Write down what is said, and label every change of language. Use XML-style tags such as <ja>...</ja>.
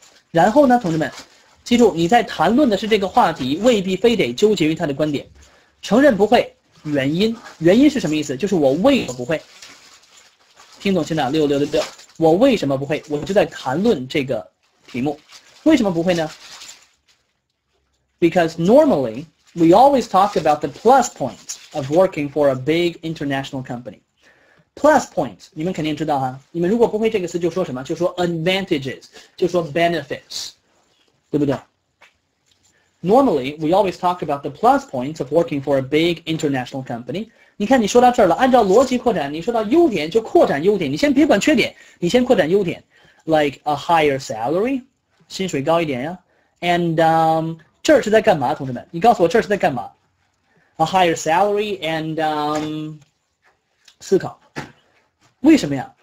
<zh>然后呢，同志们记住，你在谈论的是这个话题，未必非得纠结于他的观点，承认不会，原因是什么意思？就是我为什么不会，听懂现在6666，我为什么不会，我就在谈论这个题目，为什么不会呢？</zh> <en>Because normally we always talk about the plus points of working for a big international company.</en> <zh>Plus points 你们肯定知道啊，你们如果不会这个词就说什么，就说 advantages， 就说 benefits， 对不对？</zh> <en>Normally, we always talk about the plus points of working for a big international company.</en> <zh>你看你说到这儿了，按照逻辑扩展，你说到优点就扩展优点，你先别管缺点，你先扩展优点。</zh> <en>Like a higher salary,</en> <zh>薪水高一点呀。And, 这儿是在干嘛，同志们？你告诉我这儿是在干嘛？</zh> <en>A higher salary and,</en> <zh>思考。为什么呀？</zh>